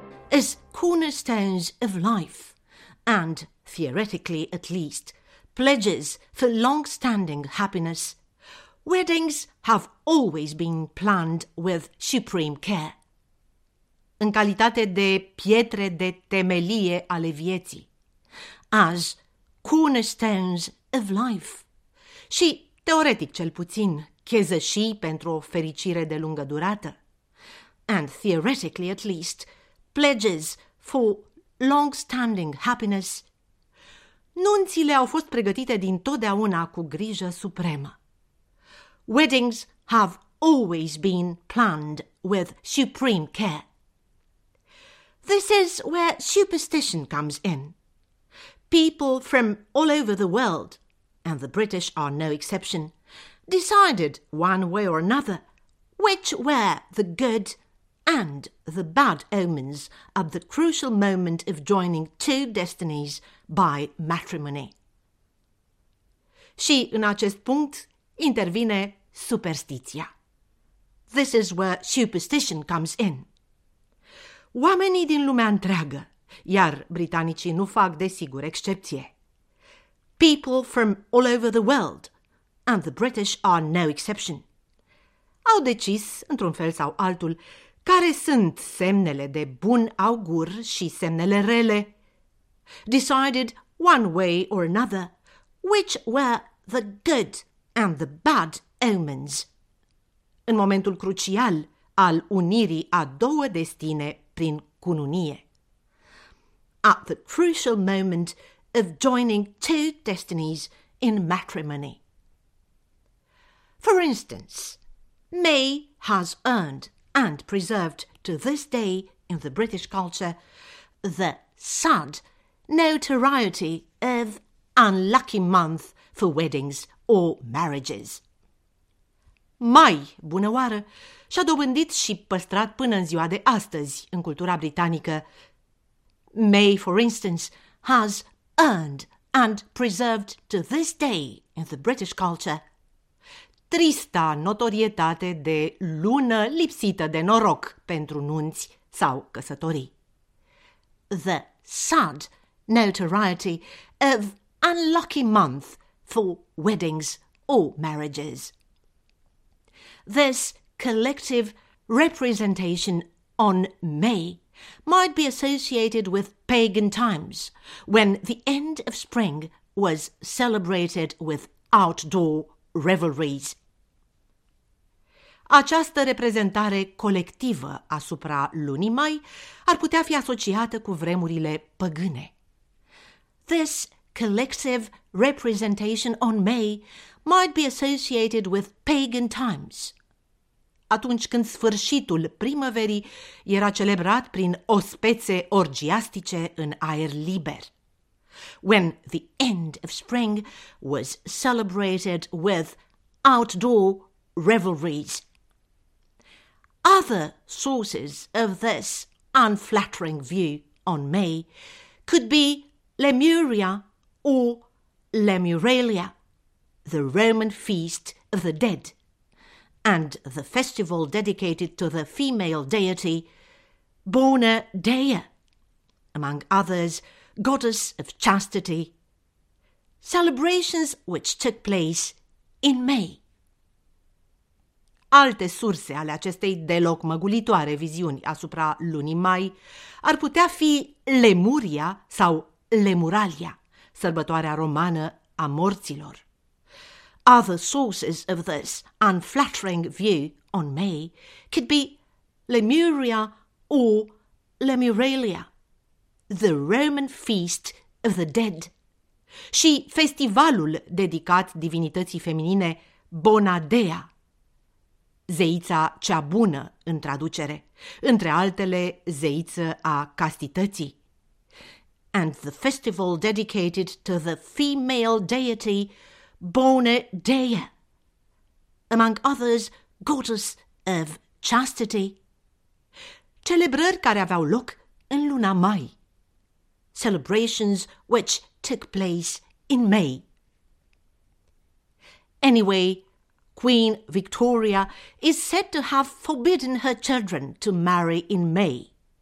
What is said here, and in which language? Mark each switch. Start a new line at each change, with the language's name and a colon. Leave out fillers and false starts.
English: As cornerstones of life, and theoretically at least, pledges for long-standing happiness, weddings have always been planned with supreme care.
Romanian: În calitate de pietre de temelie ale vieții,
English: as cornerstones of life,
Romanian: și teoretic cel puțin, chezășii pentru o fericire de lungă durată,
English: and theoretically at least, pledges for long-standing happiness,
Romanian: nunțile au fost pregătite dintotdeauna cu grijă supremă.
English: Weddings have always been planned with supreme care. This is where superstition comes in. People from all over the world, and the British are no exception, decided one way or another which were the good and the bad omens at the crucial moment of joining two destinies by matrimony.
Romanian: Și în acest punct intervine superstiția.
English: This is where superstition comes in.
Romanian: Oamenii din lumea întreagă, iar britanicii nu fac desigur excepție.
English: People from all over the world, and the British are no exception,
Romanian: au decis, într-un fel sau altul, care sunt semnele de bun augur și semnele rele?
English: Decided one way or another, which were the good and the bad omens?
Romanian: În momentul crucial al unirii a două destine prin cununie.
English: At the crucial moment of joining two destinies in matrimony. For instance, May has earned and preserved to this day in the British culture, the sad notoriety of unlucky month for weddings or marriages.
Romanian: mai bună oară și-a dobândit și păstrat până în ziua de astăzi în cultura britanică.
English: May, for instance, has earned and preserved to this day in the British culture.
Romanian: Trista notorietate de lună lipsită de noroc pentru nunți sau căsătorii.
English: The sad notoriety of unlucky month for weddings or marriages. This collective representation on May might be associated with pagan times, when the end of spring was celebrated with outdoor revelries.
Romanian: Această reprezentare colectivă asupra lunii mai ar putea fi asociată cu vremurile păgâne.
English: This collective representation on May might be associated with pagan times.
Romanian: Atunci când sfârșitul primăverii era celebrat prin ospețe orgiastice în aer liber.
English: When the end of spring was celebrated with outdoor revelries. Other sources of this unflattering view on May could be Lemuria or Lemuralia, the Roman feast of the dead, and the festival dedicated to the female deity Bona Dea, among others, goddess of chastity, celebrations which took place in May.
Romanian: Alte surse ale acestei deloc măgulitoare viziuni asupra lunii mai ar putea fi Lemuria sau Lemuralia, sărbătoarea romană a morților.
English: Other sources of this unflattering view on May could be Lemuria or Lemuralia, the Roman feast of the dead,
Romanian: și festivalul dedicat divinității feminine Bona Dea, zeița cea bună în traducere, între altele zeiță a castității.
English: And the festival dedicated to the female deity Bona Dea, among others, goddess of chastity.
Romanian: Celebrări care aveau loc în luna mai.
English: Celebrations which took place in May. Anyway, Queen Victoria is said to have forbidden her children to marry in May.